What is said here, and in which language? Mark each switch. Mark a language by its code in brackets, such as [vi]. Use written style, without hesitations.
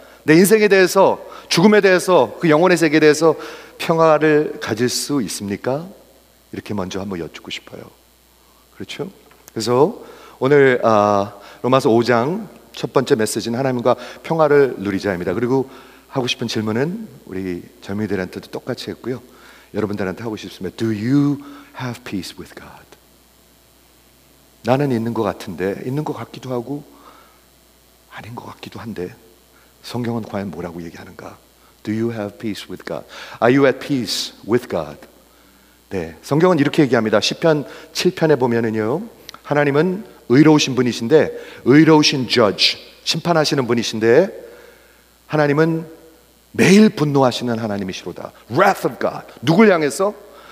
[ko] 내 인생에 대해서, 죽음에 대해서, 그 영혼의 세계에 대해서 평화를 가질 수 있습니까? 이렇게 먼저 한번 여쭙고 싶어요. 그렇죠? 그래서 오늘 로마서 5장 첫 번째 메시지는 하나님과 평화를 누리자입니다. 그리고 하고 싶은 질문은 우리 젊은이들한테도 똑같이 했고요, 여러분들한테 하고 싶습니다. [en] Do you have peace with God? [ko] 나는 있는 것 같은데, 있는 것 같기도 하고 아닌 것 같기도 한데, 성경은 과연 뭐라고 얘기하는가? [en] Do you have peace with God? Are you at peace with God? [ko] 네, 성경은 이렇게 얘기합니다. 시편 7편에 보면은요, 하나님은 의로우신 분이신데, 의로우신 judge, 심판하시는 분이신데, 하나님은 매일 분노하시는 하나님이시로다. [en] Wrath of God. [ko] 누굴 향해서?